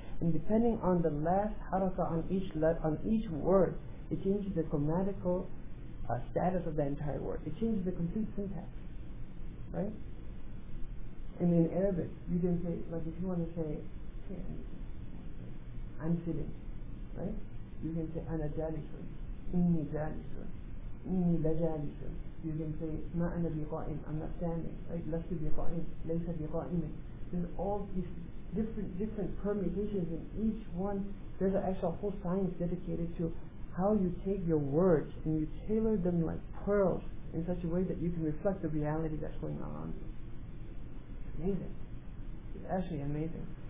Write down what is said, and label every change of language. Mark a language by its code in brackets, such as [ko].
[en] And depending on the last haraka on each word, it changes the grammatical status of the entire word. It changes the complete syntax, right? And in Arabic, you can say, like if you want to say, hey, I'm sitting, right? You can say, [ar] أنا جالس, إني جالس, إني لجالس. [en] You can say, [ar] ما أنا بقائم, [en] I'm not standing, right? [ar] لست بقائم, ليس بقائم. [en] There's all these different permutations in each one. There's actually a whole science dedicated to how you take your words and you tailor them like pearls in such a way that you can reflect the reality that's going on around you. It's amazing. It's actually amazing.